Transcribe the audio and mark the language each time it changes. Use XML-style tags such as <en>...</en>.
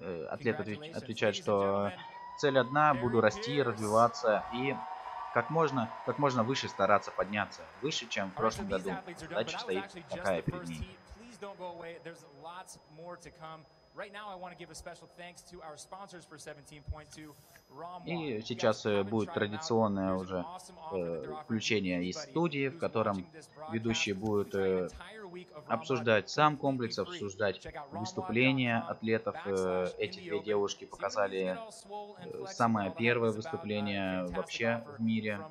<ru>Атлет отвечает, что цель одна, буду расти, развиваться и... Как можно выше стараться подняться. Выше, чем в прошлом году. Задача стоит такая перед ним.</ru> <en>Please don't go away. There's lots more to come. Right now I want to give a special thanks to our sponsors for 17.2.</en> <ru>И сейчас будет традиционное уже включение из студии, в котором ведущие будут обсуждать сам комплекс, обсуждать выступления атлетов. Эти две девушки показали самое первое выступление вообще в мире.</ru>